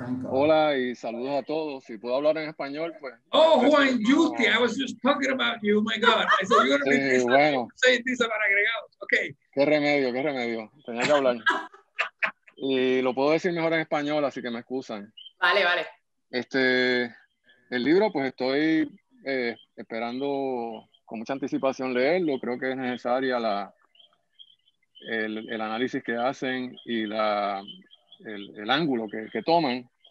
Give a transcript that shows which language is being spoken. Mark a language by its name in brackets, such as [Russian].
[Spanish] Hola y saludos a todos. Si puedo hablar en español, pues. [English] Oh, Juan, Yuki, I was just talking about you. My God. I said, you're going to be saying this about agregados. Okay. [Spanish] Qué remedio. Tenía que hablar. Y lo puedo decir mejor en español, así que me excusan. Vale. El libro, pues estoy esperando con mucha anticipación leerlo. Creo que es necesaria el análisis que hacen y el ángulo que toman.